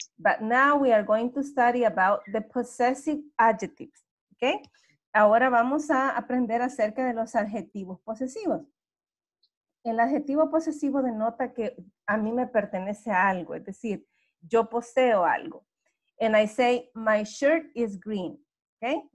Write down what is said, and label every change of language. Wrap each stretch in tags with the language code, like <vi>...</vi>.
<en>But now we are going to study about the possessive adjectives, okay?</en> <es>Ahora vamos a aprender acerca de los adjetivos posesivos. El adjetivo posesivo denota que a mí me pertenece a algo, es decir, yo poseo algo.</es> <en>And I say, my shirt is green, okay?</en>